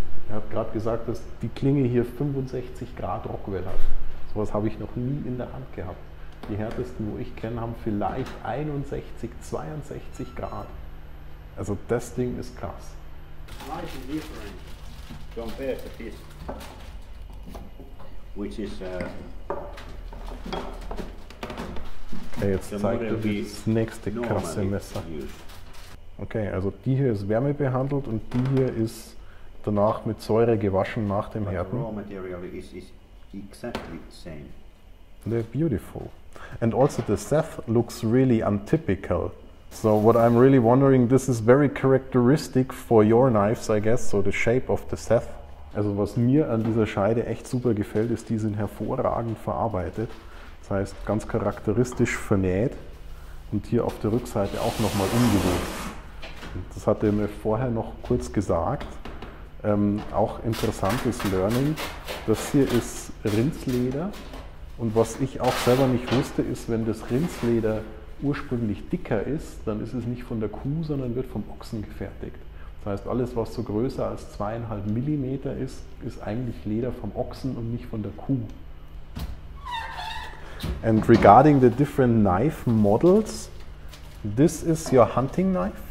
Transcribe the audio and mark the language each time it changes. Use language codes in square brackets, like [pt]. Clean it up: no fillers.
[de] Er hat gerade gesagt, dass die Klinge hier 65 Grad Rockwell hat. So was habe ich noch nie in der Hand gehabt. Die härtesten, wo ich kenne, haben vielleicht 61, 62 Grad. Also das Ding ist krass. [en] Nice and different compared to this, which is [de] okay, jetzt zeigt er das nächste krasse Messer. Okay, also die hier ist wärmebehandelt und die hier ist danach mit Säure gewaschen nach dem Härten. [en] The raw material is exactly the same. They're beautiful. And also the Seth looks really untypical. So what I'm really wondering, this is very characteristic for your knives, I guess, so the shape of the Seth. [de] Also was mir an dieser Scheide echt super gefällt, ist, die sind hervorragend verarbeitet. Das heißt, ganz charakteristisch vernäht und hier auf der Rückseite auch nochmal umgedreht. Das hat er mir vorher noch kurz gesagt. Auch interessantes Learning. Das hier ist Rindsleder. Und was ich auch selber nicht wusste, ist, wenn das Rindsleder ursprünglich dicker ist, dann ist es nicht von der Kuh, sondern wird vom Ochsen gefertigt. Das heißt, alles, was so größer als 2,5 mm ist, ist eigentlich Leder vom Ochsen und nicht von der Kuh. [en] And regarding the different knife models, this is your hunting knife?